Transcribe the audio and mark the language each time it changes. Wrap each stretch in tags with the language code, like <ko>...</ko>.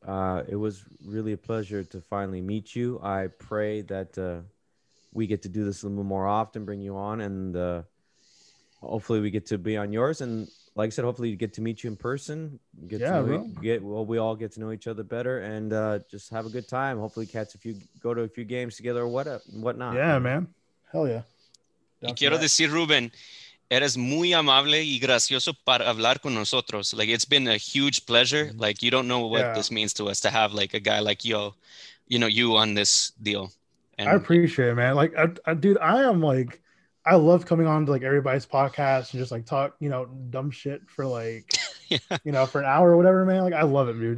<en>It was really a pleasure to finally meet you. I pray that we get to do this a little more often, bring you on, and hopefully we get to be on yours. And like I said, hopefully we get to meet you in person. We all get to know each other better, and just have a good time. Hopefully go to a few games together or whatnot. Yeah, man. Hell yeah.</en> <es>Y quiero decir, Ruben, eres muy amable y gracioso para hablar con nosotros.</es> <en>Like, it's been a huge pleasure. Like, you don't know what this means to us to have, like, a guy like you on this deal. And I appreciate it, man. Like, I love coming on to, like, everybody's podcast and just, like, talk, you know, dumb shit for, like, you know, for an hour or whatever, man. Like, I love it, dude.</en>